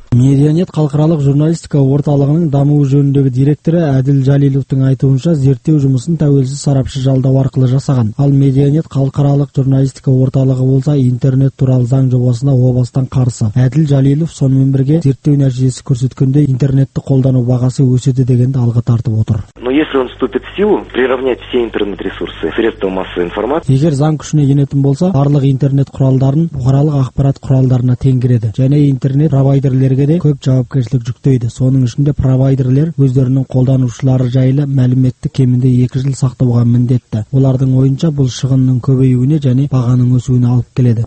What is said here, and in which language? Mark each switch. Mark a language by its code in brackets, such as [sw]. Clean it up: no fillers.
[kk] Медианет халықаралық журналистика орталығының дамуы жөніндегі директоры Әділ Жәлеловтың айтуынша, зерттеу жұмысын тәуелсіз сарапшы жалдау арқылы жасаған. Ал Медианет халықаралық журналистика орталығы болса, интернет туралы заң жобасына о бастан қарсы. Әділ Жәлелов сонымен бірге зерттеу нәтижесі көрсеткенде интернетті қолдану бағасы өседі дегенді алға тартып отыр. [ru] Если он вступит в силу, приравнять все интернет-ресурсы, средства массовой информации. [kk] Егер заң күшіне енетін болса, барлық интернет құралдарын бұқаралық ақпарат құралдарына теңгереді. Және интернет провайдерлерге де көп жауапкершілік жүктейді. Соның ішінде провайдерлер өздерінің қолданушылары жайлы мәліметті кемінде 2 жыл сақтауға міндетті. Олардың ойынша бұл шығынның көбеюіне және бағаның өсуіне алып келеді.